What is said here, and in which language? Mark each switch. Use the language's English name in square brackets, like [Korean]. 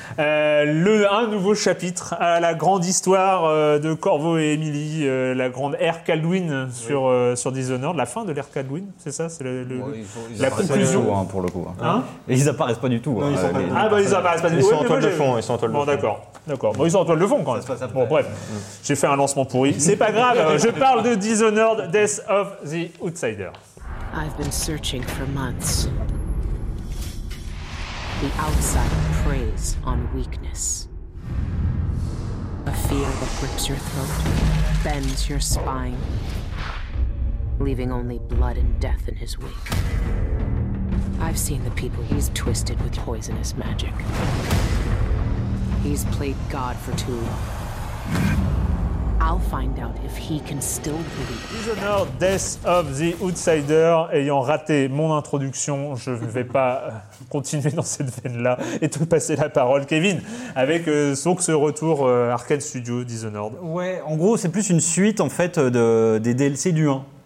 [French] Un nouveau chapitre à la grande histoire de Corvo et Emily, la grande ère Caldwin sur, sur Dishonored, la fin de l'ère Caldwin, c'est ça ? C'est la conclusion. Hein, pour le coup. Hein ? Ils apparaissent pas du tout. Ils apparaissent pas du tout. Ils sont en toile de fond. Ils sont en toile de fond. Bon, d'accord. D'accord. Bon, ils sont en toile de fond quand même. Bon, bref, j'ai fait un lancement pourri. C'est pas grave, je parle de Dishonored, Death of the Outsider. [English] I've been searching for months. The outsider preys on weakness. A fear that grips your throat, bends your spine, leaving only blood and death in his wake. I've seen the people he's twisted with poisonous magic. He's played God for too long. I'll find out if he can still believe. [French] Dishonored, Death of the Outsider, ayant raté mon introduction, je ne vais pas continuer dans cette veine-là et te passer la parole, Kevin, avec donc ce retour Arcane Studio, Dishonored. Ouais, en gros, c'est plus une suite en fait des DLC du 1.